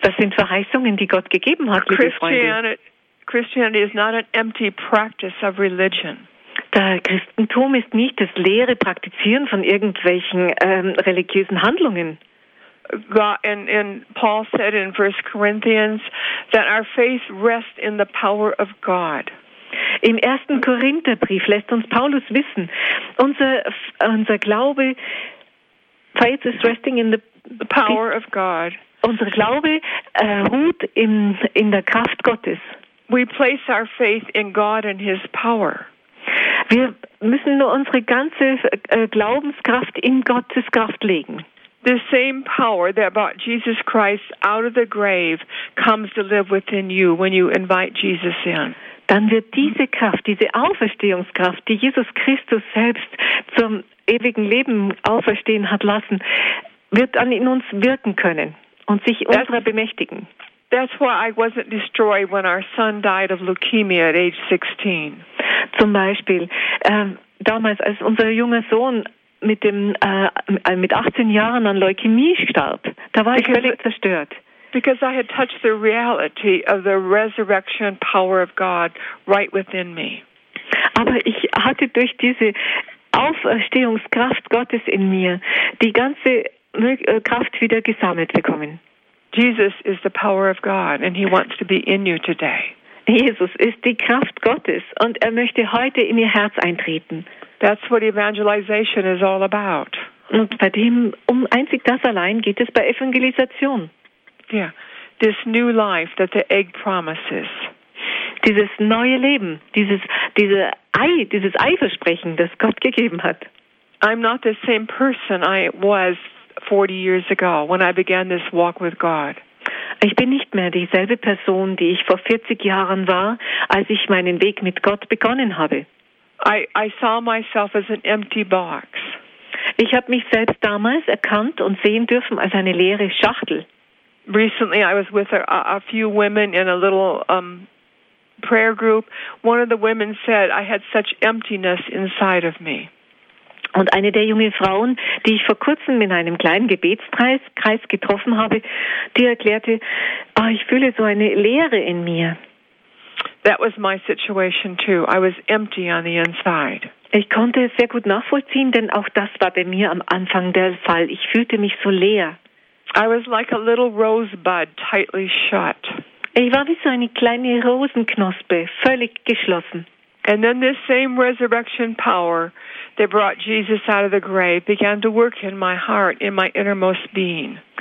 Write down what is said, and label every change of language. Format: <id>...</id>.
<de>Das sind Verheißungen, die Gott gegeben hat, liebe Freunde.</de> <en>Christianity is not an empty practice of religion.</en> <de>Der Christentum ist nicht das leere Praktizieren von irgendwelchen religiösen Handlungen.</de> <en>And Paul said in 1 Corinthians that our faith rests in the power of God.</en> <de>Im ersten Korintherbrief lässt uns Paulus wissen, unser Glaube,</de> <en>faith is resting in the power of God.</en> <de>Unser Glaube ruht in der Kraft Gottes.</de> <en>We place our faith in God and his power.</en> <de>Wir müssen nur unsere ganze Glaubenskraft in Gottes Kraft legen.</de> <en>The same power that brought Jesus Christ out of the grave comes to live within you when you invite Jesus in.</en> <de>Dann wird diese Kraft, diese Auferstehungskraft, die Jesus Christus selbst zum ewigen Leben auferstehen hat lassen, wird dann in uns wirken können und sich unserer bemächtigen.</de> <en>That's why I wasn't destroyed when our son died of leukemia at age 16.</en> <de>Zum Beispiel, damals als unser junger Sohn mit 18 Jahren an Leukämie starb, da war ich völlig zerstört.</de> <en>Because I had touched the reality of the resurrection power of God right within me.</en> <de>Aber ich hatte durch diese Auferstehungskraft Gottes in mir die ganze Kraft wieder gesammelt bekommen.</de> <en>Jesus is the power of God and he wants to be in you today.</en> <de>Jesus ist die Kraft Gottes und möchte heute in ihr Herz eintreten.</de> <en>That's what evangelization is all about.</en> <de>Und bei dem einzig das allein geht es bei Evangelisation.</de> <en>Yeah, this new life that the egg promises.</en> <de>Dieses neue Leben, dieses Eiversprechen, das Gott gegeben hat.</de> <en>I'm not the same person I was 40 years ago when I began this walk with God.</en> <de>Ich bin nicht mehr dieselbe Person, die ich vor 40 Jahren war, als ich meinen Weg mit Gott begonnen habe.</de> <en>I saw myself as an empty box.</en> <de>Ich habe mich selbst damals erkannt und sehen dürfen als eine leere Schachtel.</de> <en>Recently I was with a few women in a little prayer group. One of the women said I had such emptiness inside of me.</en> <de>Und eine der jungen Frauen, die ich vor kurzem in einem kleinen Gebetskreis getroffen habe, die erklärte, ich fühle so eine Leere in mir.</de> <en>That was my situation too. I was empty on the inside.</en> <de>Ich konnte es sehr gut nachvollziehen, denn auch das war bei mir am Anfang der Fall. Ich fühlte mich so leer.</de> <en>I was like a little rosebud tightly shut.</en> <de>Ich war wie so eine kleine Rosenknospe, völlig geschlossen.</de> <en>And then this same resurrection power that brought Jesus out of the grave began to work in my heart, in my innermost being.</en>